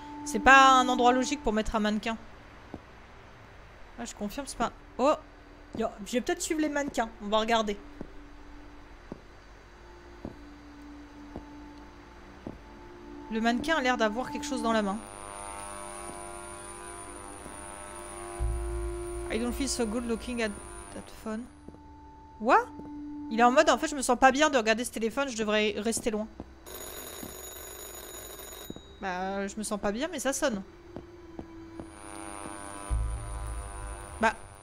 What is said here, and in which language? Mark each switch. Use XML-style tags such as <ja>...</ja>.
<fr>C'est pas un endroit logique pour mettre un mannequin. Ah, je confirme, c'est pas... Oh, yo, je vais peut-être suivre les mannequins. On va regarder. Le mannequin a l'air d'avoir quelque chose dans la main.</fr> <en>I don't feel so good looking at that phone. What?</en> <fr>Il est en mode, en fait, je me sens pas bien de regarder ce téléphone, je devrais rester loin. Bah, je me sens pas bien, mais ça sonne. Bah.</fr>